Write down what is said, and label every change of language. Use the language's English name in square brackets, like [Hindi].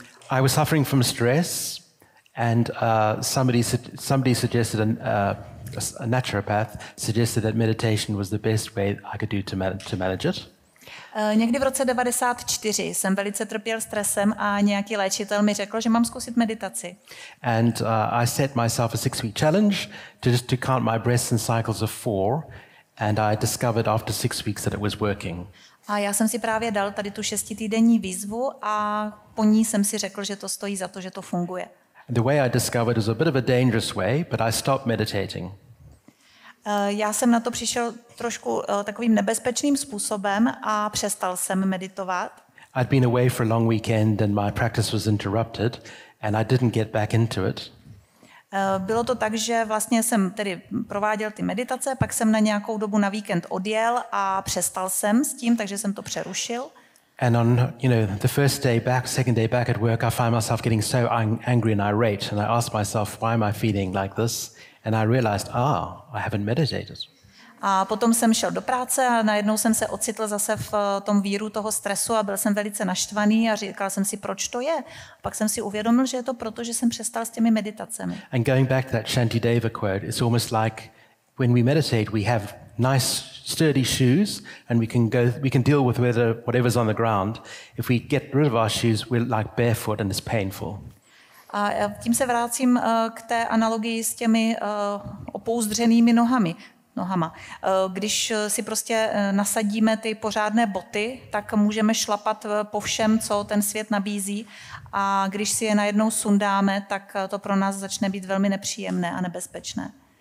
[English] I was suffering from stress and somebody suggested a naturopath suggested that meditation was the best way I could do to manage it. [Czech] Někdy v roce 94 jsem velice trpěl stresem a nějaký léčitel mi řekl, že mám zkusit meditaci. [English] And I set myself a 6 week challenge to just to count my breaths in cycles of 4 and I discovered after 6 weeks that it was working. [Czech] A já jsem si právě dal tady tu 6-týdenní výzvu a po ní jsem si řekl, že to stojí za to, že to funguje. [English] The way I discovered is a bit of a dangerous way, but I stopped meditating. [Czech] Já jsem na to přišel trošku takovým nebezpečným způsobem a přestal jsem meditovat. [English] I'd been away for a long weekend and my practice was interrupted and I didn't get back into it. [Czech] Bylo to tak, že vlastně jsem tedy prováděl ty meditace, pak jsem na nějakou dobu na víkend odjel a přestal jsem s tím, takže jsem to přerušil. [English] And on, you know, the first day back, second day back at work, I find myself getting so angry and irate and I ask myself why am I feeling like this? And I realized, I haven't meditated. [Czech] A potom jsem šel do práce a najednou jsem se ocitl zase v tom víru toho stresu a byl jsem velice naštvaný a říkal jsem si, proč to je. A pak jsem si uvědomil, že je to proto, že jsem přestal s těmi meditacemi. [English] And going back to that Shantideva quote, it's almost like when we meditate, we have nice sturdy shoes and we can deal with whatever's on the ground. If we get rid of our shoes, we're like barefoot and it's painful. [Czech] A tím se vracím k té analogii s těmi opouzdřenými nohama. Když si prostě nasadíme ty pořádné boty, tak můžeme šlapat po všem, co ten svět nabízí. A když si je najednou sundáme, tak to pro nás začne být velmi nepříjemné a nebezpečné.